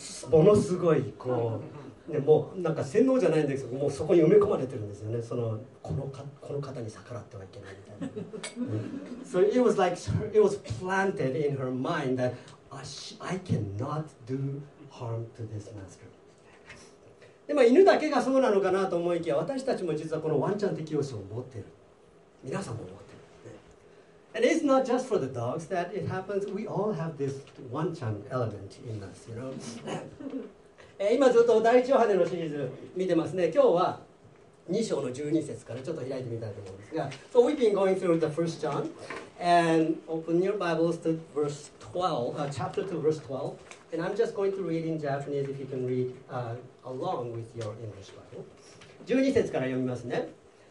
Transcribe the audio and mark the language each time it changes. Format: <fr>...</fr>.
<ja>ものすごいこう。ね、もうなんか洗脳じゃないんですけど、もうそこに埋め込まれてるんですよね。そのこの方に逆らってはいけないみたいな。</ja> <en>So it was like it was planted in her mind that I cannot do harm to this master.</en> <ja>でも犬だけがそうなのかなと思いきや、私たちも実はこのワンちゃん的要素を持ってる。皆さんも持ってる、ね。</ja> <en>And it's not just for the dogs that it happens. We all have this ワンちゃん element in us, you know.</en> <ja>今ずっと第一ヨハネのシリーズ見てますね。今日は2章の12節からちょっと開いてみたいと思うんですが、</ja> <en>So we've been going through the first John and open your Bibles to verse 12, chapter 2 verse 12 and I'm just going to read in Japanese if you can read along with your English Bible.</en> <ja>12節から読みますね。</ja>